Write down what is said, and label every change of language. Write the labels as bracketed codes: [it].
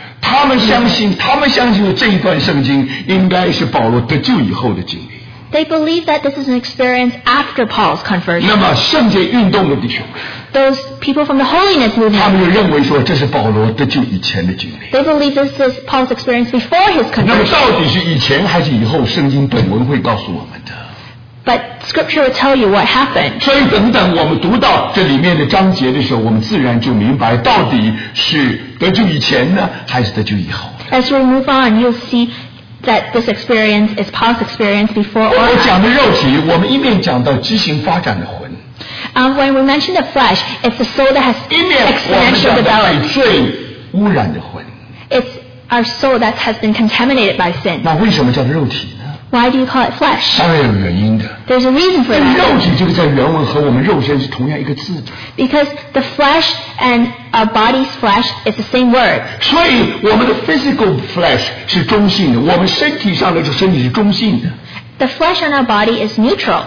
[zh] 他们相信这一段圣经应该是保罗得救以后的经历。 [en] they believe that this is an experience after Paul's conversion. [zh] 那么圣洁运动的弟兄。 [en] Those people from the holiness movement, they believe this is Paul's experience before his conversion. But scripture will tell you what happened. [zh] 所以等等我们读到这里面的章节的时候，我们自然就明白到底是得救以前呢，还是得救以后。 [en] As we move on, you'll see that this experience is Paul's experience before or after. [zh] 我讲的肉体，我们一面讲到畸形发展的魂。 [en] When we mention the flesh, it's the soul that has exponential development. It's our soul that has been contaminated by sin. [zh] 那为什么叫做肉体呢？ [en] Why do you call it flesh? [zh] 当然有原因的。 [en] There's a reason for that. [zh] 肉体就是在原文和我们肉身是同样一个字。 [en] Because the flesh and our body's flesh is the same word. [zh] 所以我们的 [en] physical flesh [zh] 是中性的，我们身体上的身体是中性的。 [en] The flesh on our body is neutral.